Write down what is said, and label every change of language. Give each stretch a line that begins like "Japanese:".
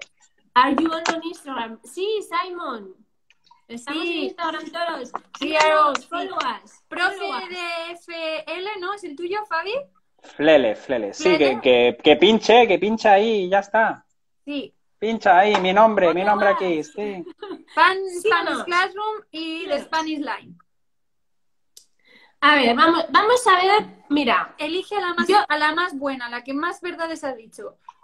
English: Sí. Are you on Instagram?
Spanish: Sí, Simon. Estamos sí. En Instagram todos. Sí, claro.
English: Followers.
Spanish: Profe de FL, ¿no? ¿Es el tuyo, Fabi? Flele. Sí, que pinche ahí y ya está. Sí. Pincha ahí, mi nombre aquí. Sí. Spanish Classroom y The Spanish Line. A ver, vamos a ver. Mira, elige a la más buena, la que más verdades ha dicho.